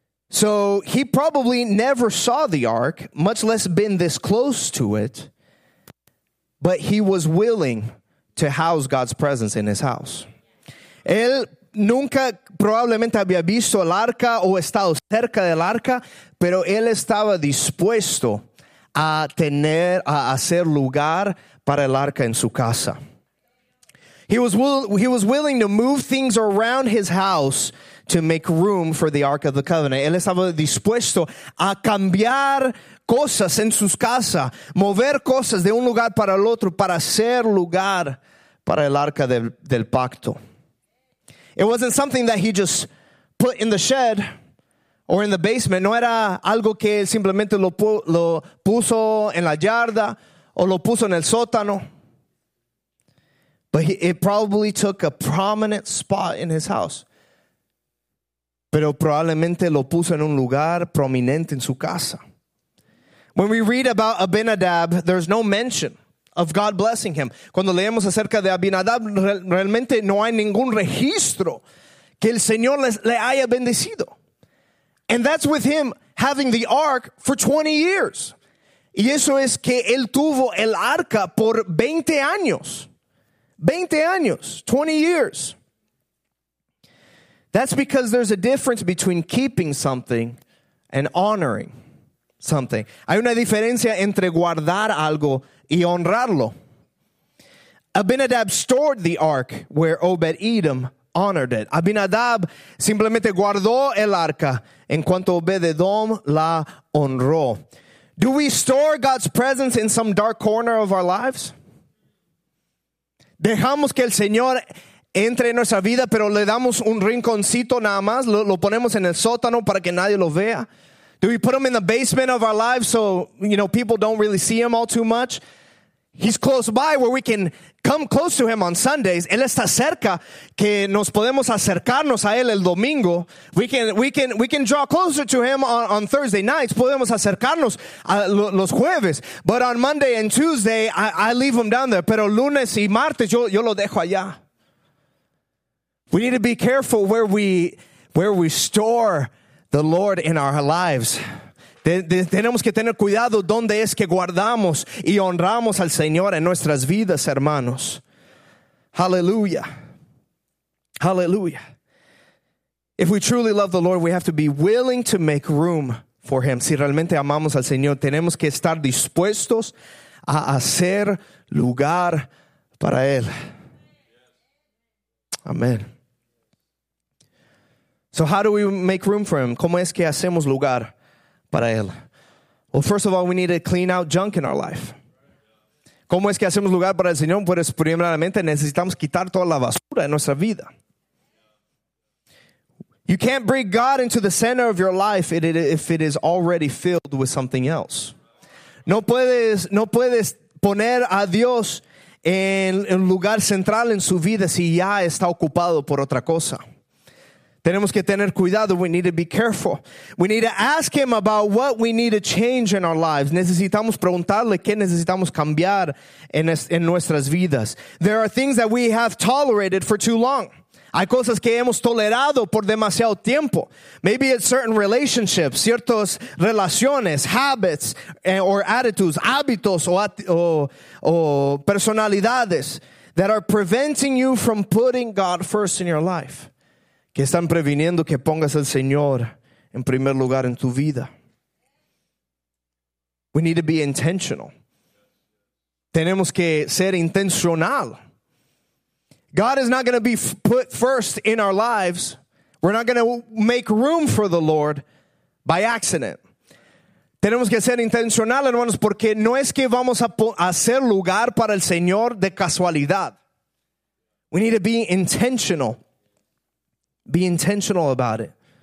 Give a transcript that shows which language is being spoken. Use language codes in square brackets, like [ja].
[en] So he probably never saw the ark, much less been this close to it, but he was willing to house God's presence in his house. [es] Él nunca probablemente había visto el arca o estado cerca del arca, pero él estaba dispuesto a tener, a hacer lugar para el arca en su casa. [en] He was willing to move things around his house to make room for the Ark of the Covenant. [es] Él estaba dispuesto a cambiar cosas en sus casas, mover cosas de un lugar para el otro para hacer lugar para el Arca del Pacto. [en] It wasn't something that he just put in the shed or in the basement. [es] No era algo que simplemente lo puso en la yarda o lo puso en el sótano. [en] But it probably took a prominent spot in his house. [es] Pero probablemente lo puso en un lugar prominente en su casa. [en] When we read about Abinadab, there's no mention of God blessing him. [es] Cuando leemos acerca de Abinadab, realmente no hay ningún registro que el Señor le haya bendecido. [en] And that's with him having the ark for 20 years. [es] Y eso es que él tuvo el arca por 20 años. 20 años, [en] 20 years. That's because there's a difference between keeping something and honoring something. [es] Hay una diferencia entre guardar algo y honrarlo. [en] Abinadab stored the ark where Obed-Edom honored it. [es] Abinadab simplemente guardó el arca en cuanto Obed-Edom la honró. [en] Do we store God's presence in some dark corner of our lives? [es] Dejamos que el Señor entre en nuestra vida, pero le damos un rinconcito nada más. Lo ponemos en el sótano para que nadie lo vea. [en] Do we put him in the basement of our lives so, you know, people don't really see him all too much? He's close by where we can come close to him on Sundays. [es] Él está cerca que nos podemos acercarnos a él el domingo. [en] We can draw closer to him on Thursday nights. [es] Podemos acercarnos a los jueves. [en] But on Monday and Tuesday, I leave him down there. [es] Pero lunes y martes, yo lo dejo allá. [en] We need to be careful where we store the Lord in our lives. [es] Tenemos que tener cuidado donde es que guardamos y honramos al Señor en nuestras vidas, hermanos. Hallelujah. Hallelujah. [en] If we truly love the Lord, we have to be willing to make room for him. [es] Si realmente amamos al Señor, tenemos que estar dispuestos a hacer lugar para él. [en] Amen. So how do we make room for him? [es] ¿Cómo es que hacemos lugar para él? [en] Well, first of all, we need to clean out junk in our life. [es] ¿Cómo es que hacemos lugar para el Señor? Pues primeramente necesitamos quitar toda la basura de nuestra vida. [en] You can't bring God into the center of your life if it is already filled with something else. [es] No puedes poner a Dios en el lugar central en su vida si ya está ocupado por otra cosa. Tenemos que tener cuidado. [en] We need to be careful. We need to ask him about what we need to change in our lives. [es] Necesitamos preguntarle qué necesitamos cambiar en nuestras vidas. [en] There are things that we have tolerated for too long. [es] Hay cosas que hemos tolerado por demasiado tiempo. [en] Maybe it's certain relationships, [es] ciertas relaciones, [en] habits or attitudes, [es] hábitos o personalidades [en] that are preventing you from putting God first in your life. [es] Que están previniendo que pongas al Señor en primer lugar en tu vida. [en] We need to be intentional. [es] Tenemos que ser intencional. [en] God is not going to be put first in our lives. We're not going to make room for the Lord by accident. [es] Tenemos que ser intencional, hermanos, porque no es que vamos a hacer lugar para el Señor de casualidad. [en] We need to be intentional. Be intentional about it.